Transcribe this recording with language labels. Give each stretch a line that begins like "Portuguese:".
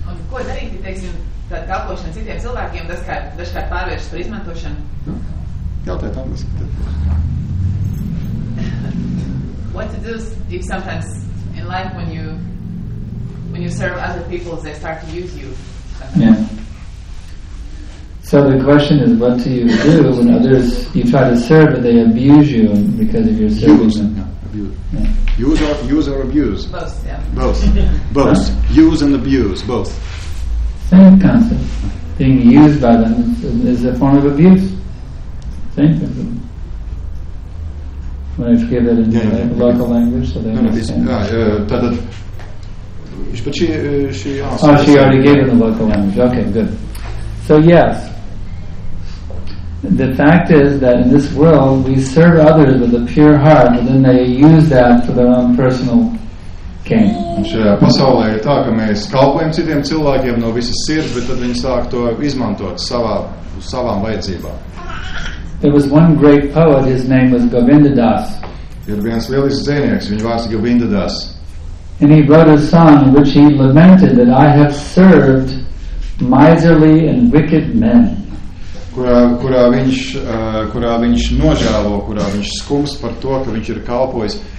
Latvian: Ko darīt, teiksim, tad kalpošana citiem cilvēkiem, tas kā dažkārt pārvēršas par izmantošanu? Jautājot angliski.
English: What to do if sometimes in life when you serve other people, they start to use you? So the question is, what do you do when others, you try to serve, but they abuse you because of your serving them? Use or abuse? Both, yeah. Both. Both. Use and abuse, both. Same concept. Being used by them is a form of abuse. Same principle. When I forget it in local language, so they understand. She already gave it in the local language. Okay, good. So, yes. The fact is that in this world we serve others with a pure heart, but then they use that for their own personal gain.
Latvian: Šajā pasaulē ir tā, ka mēs kalpojam citiem cilvēkiem no visas sirds, bet tad viņi sāk to izmantot savām vajadzībām.
English: There was one great poet, his name was Govindadas.
Latvian: Ir viens lielisks dzejnieks, viņa vārds ir Govindadas.
English: And he wrote a song in which he lamented that I have served miserly and wicked men.
Latvian: Kurā viņš nožēlo, kurā viņš skums par to, ka viņš ir kalpojis.